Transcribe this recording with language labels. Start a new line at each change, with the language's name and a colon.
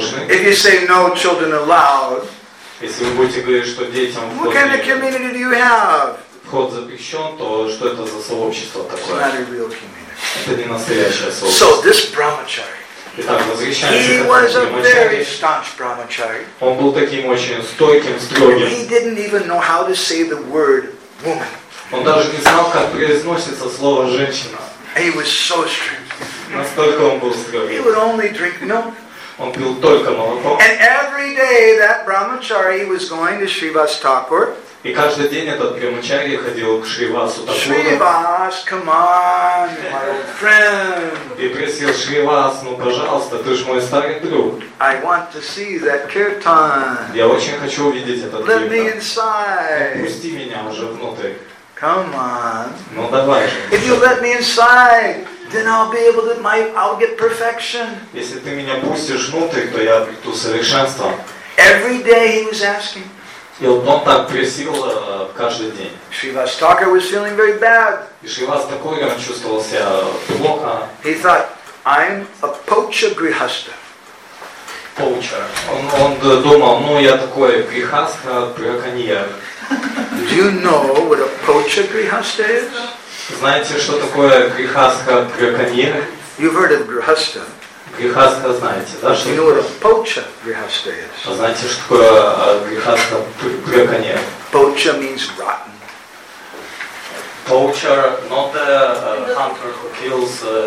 English: If you say no children allowed, what kind of community do you have?
Russian: Вход запрещен, то что это за сообщество такое?
English: It's not a real community.
Russian: Это не настоящее сообщество.
English: So this brahmachari.
Russian: Итак, возвращаемся.
English: He was a very staunch brahmachari.
Russian: Он был таким очень стойким, строгим.
English: He didn't even know how to say the word woman.
Russian: Он даже не знал, как произносится слово женщина.
English: He was so strict.
Russian: Настолько он был строгим.
English: He would only drink milk.
Russian: Он пил только молоко.
English: And every day that brahmachari was going to Srivas Thakur.
Russian: И каждый день этот брамачари ходил к Шривасу Такуру.
English: Шривас, come on, my old friend.
Russian: И просил Шривас, ну пожалуйста, ты ж мой старый друг.
English: I want to see that kirtan.
Russian: Я очень хочу увидеть этот
English: kirtan. Let me inside.
Russian: Пусти меня уже внутрь.
English: Come on.
Russian: Ну давай же.
English: If you let me inside, then I'll be able to, I'll get perfection.
Russian: Если ты меня пустишь внутрь, то я обрету совершенство.
English: Every day he was asking.
Russian: И вот он так просил каждый день.
English: Shrivas Thakur was feeling very bad.
Russian: И Шривас Такур, он чувствовал себя плохо.
English: He thought, I'm a poacher grihastha. Poacher.
Russian: Он думал, ну я такой грихастха браконьер.
English: Do you know what a poacher grihastha is?
Russian: Знаете, что такое грихастха браконьер?
English: You've heard of grihastha.
Russian: Грихастха, знаете, да?
English: You know what a poacher grihastha is?
Russian: Знаете, что такое грихастха браконьер?
English: Poacher means rotten. Poacher, not the hunter who kills